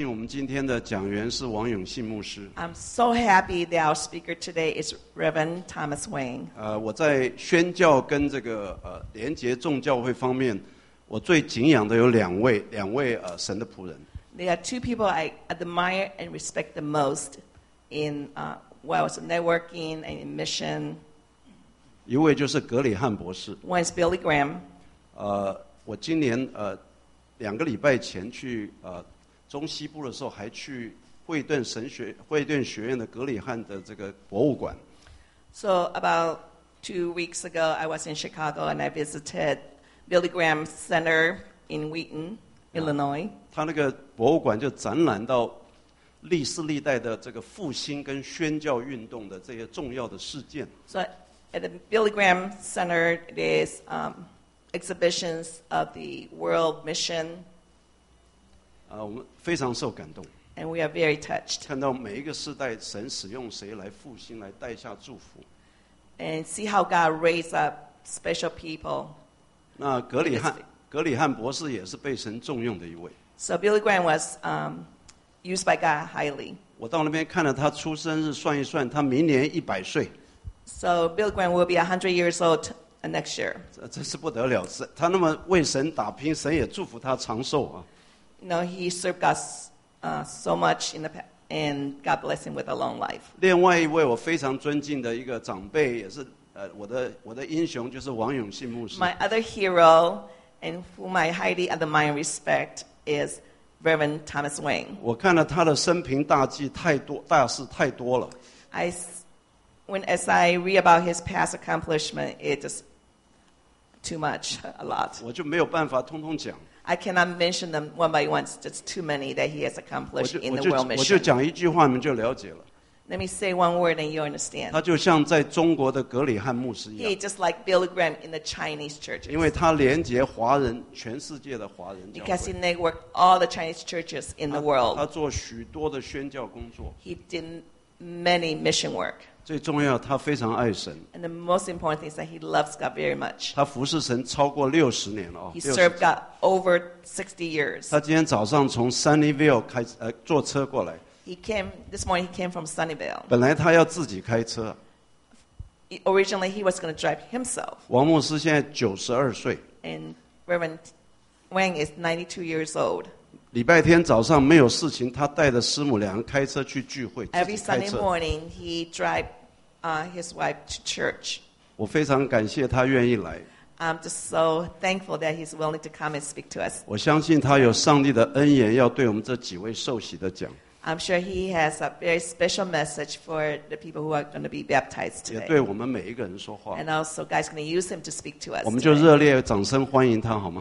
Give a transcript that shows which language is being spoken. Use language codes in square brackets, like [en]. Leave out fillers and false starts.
[zh] 我们今天的讲员是王永信牧师。 [en] I'm so happy that our speaker today is Reverend Thomas Wayne. [zh] 我在宣教跟这个连结众教会方面，我最敬仰的有两位神的仆人。 [en] There are two people I admire and respect the most in networking and in mission. [zh] 一位就是格里汉博士。 [en] One is Billy Graham. [zh] 我今年两个礼拜前去中西部的时候，还去惠顿学院的格里汉的这个博物馆。 [en] So about 2 weeks ago, I was in Chicago and I visited Billy Graham Center in Wheaton, Illinois. [zh] 他那个博物馆就展览到历世历代的这个复兴跟宣教运动的这些重要的事件。 [en] So at the Billy Graham Center, it is exhibitions of the world mission. [zh] 我们非常受感动。 [en] And we are very touched. [zh] 看到每一个世代，神使用谁来复兴，来带下祝福。 [en] And see how God raised up special people. [zh] 那格里汉博士也是被神重用的一位。 [en] So Billy Graham was used by God highly. [zh] 我到那边看了他出生日，算一算，他明年100岁。 [en] So Billy Graham will be 100 years old next year. [zh] 这是不得了，他那么为神打拼，神也祝福他长寿啊。 [en] No, he served God so much in the past, and God blessed him with a long life. [zh] 另外一位我非常尊敬的一个长辈，也是我的英雄，就是王永信牧师。 [en] My other hero, and whom I highly admire and respect, is Reverend Thomas Wayne. [zh] 我看了他的生平大记太多，大事太多了。 [en] As I read about his past accomplishment, it is too much, a lot. [zh] 我就没有办法通通讲。 [en] I cannot mention them one by one. It's just too many that he has accomplished in the world mission. [zh] 我就讲一句话，你们就了解了。 [en] Let me say one word and you understand. [zh] 他就像在中国的格里汉牧师一样。 [en] He just like Billy Graham in the Chinese churches. [zh] 因为他连接华人，全世界的华人教会。 [en] Because he networked all the Chinese churches in the world. [zh] 他做许多的宣教工作。 [en] He did many mission work. [zh] 最重要，他非常爱神。 [en] And the most important thing is that he loves God very much. [zh] 他服侍神超过60年了。 [en] He served God over 60 years. [zh] 他今天早上从 Sunnyvale 开坐车过来。 [en] He came this morning. He came from Sunnyvale. [zh] 本来他要自己开车。 [en] Originally he was going to drive himself. [zh] 王牧师现在92岁。 [en] And Reverend Wang is 92 years old. [zh] 礼拜天早上没有事情，他带着师母两人开车去聚会。 [en] Every Sunday morning, he drive his wife to church. [zh] 我非常感谢他愿意来。 [en] I'm just so thankful that he's willing to come and speak to us. [zh] 我相信他有上帝的恩言要对我们这几位受洗的讲。 [en] I'm sure he has a very special message for the people who are going to be baptized today. [zh] 也对我们每一个人说话。 [en] And also, God's going to use him to speak to us. [zh] 我们就热烈掌声欢迎他，好吗